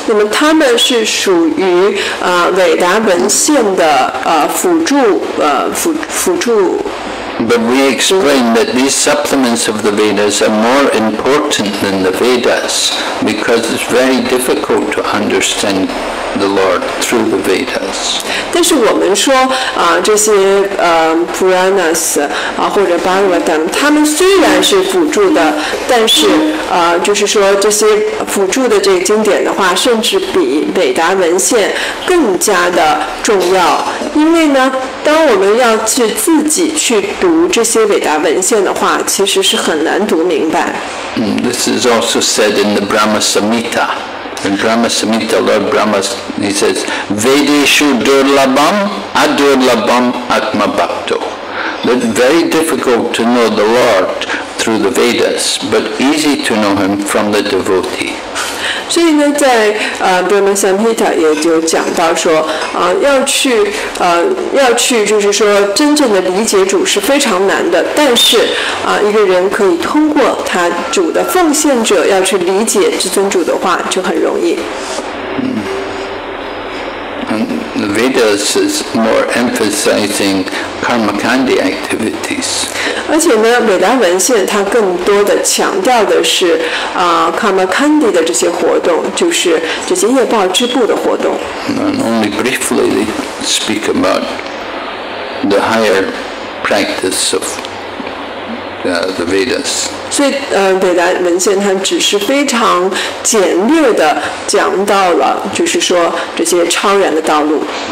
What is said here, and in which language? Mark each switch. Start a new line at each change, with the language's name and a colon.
Chinese: 那么他们是属于伟大文献的辅助。
English: But we explain that these supplements of the Vedas are more important than the Vedas because it's very difficult to understand the Lord through the Vedas.
Chinese: 但是我们说这些Puranas 或者 Bhagavatam 他们虽然是辅助的但是就是说这些辅助的这个经典的话甚至比伟达文献更加的重要因为呢当我们要去自己去读这些伟大文献的话其实是很难读明白、
English: This is also said in the Brahma Samhita In Brahma Samhita Lord Brahma He says
Sanskrit: Vedeshu durlabham adurlabham atma bhakto
English: It's very difficult to know the Lord through the Vedas But easy to know him from the devotee
Chinese: 所以呢在Brahma Samhita 也就讲到说要去就是说真正的理解主是非常难的但是一个人可以通过他主的奉献者要去理解至尊主的话就很容易、
English: The Vedas is more emphasizing karmakandi activities
Chinese: 而且呢伟达文献它更多的强调的是karmakandi 的这些活动就是这些业报支部的活动
English: And only briefly they speak about the higher practice of the Vedas
Chinese: 所以伟达文献它只是非常简略的讲到了就是说这些超然的道路